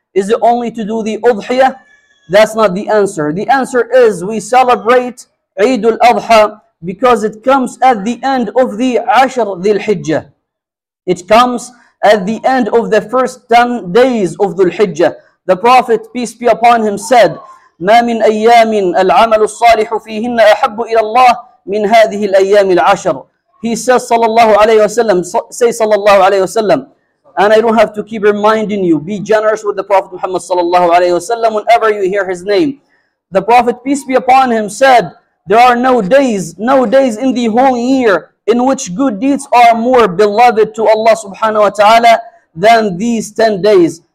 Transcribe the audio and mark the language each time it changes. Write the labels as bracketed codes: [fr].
[en] Is it only to do the Udhiyah? That's not the answer. The answer is we celebrate Eid al-Adha because it comes at the end of the Ashr Dhul-Hijjah. It comes at the end of the first 10 days of Dhul-Hijjah. The Prophet, peace be upon him, said, [ar] مَا مِنْ أَيَّامٍ الْعَمَلُ الصَّالِحُ فِيهِنَّ أَحَبُّ إِلَى اللَّهِ مِنْ هَذِهِ الْأَيَّامِ الْعَشَرِ. [en] He says, sallallahu alayhi wa sallam, say sallallahu alayhi wa sallam, and I don't have to keep reminding you, be generous with the Prophet Muhammad sallallahu alayhi wa sallam whenever you hear his name. The Prophet, peace be upon him, said, there are no days in the whole year in which good deeds are more beloved to Allah subhanahu wa ta'ala than these 10 days.